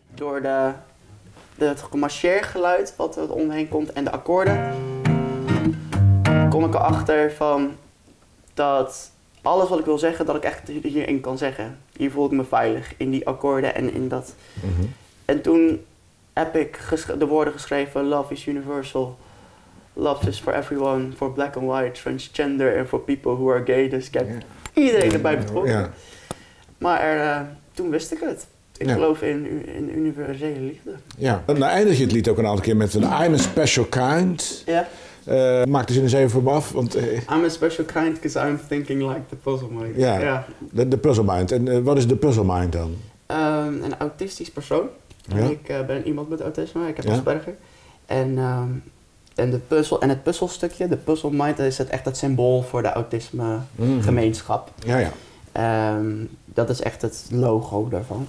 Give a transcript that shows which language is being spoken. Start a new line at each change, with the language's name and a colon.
Dutch: Door het gemarcheer geluid wat er omheen komt en de akkoorden, kom ik erachter van dat alles wat ik wil zeggen, dat ik echt hierin kan zeggen. Hier voel ik me veilig, in die akkoorden en in dat. Mm-hmm. En toen heb ik de woorden geschreven,
English: love is universal. Love is for everyone, for black and white, transgender and for people who are gay.
Dutch: Dus ik heb iedereen erbij betrokken. Yeah. Maar toen wist ik het. Ik geloof in universele liefde. Ja, yeah. Dan eindig je het lied ook een aantal keer met een
English: I'm a special kind.
Dutch: Ja. Yeah. Maak de zin eens even voor me af. Want,
English: I'm a special kind because I'm thinking like the puzzle mind.
Dutch: Ja, de puzzle mind. En wat is de puzzle mind dan? Een autistisch persoon. Yeah. Ik ben iemand met autisme, ik heb Asperger. En de puzzel en het puzzelstukje, de puzzle mind, is het echt het symbool voor de autisme gemeenschap. Ja, ja. Dat is echt het logo daarvan.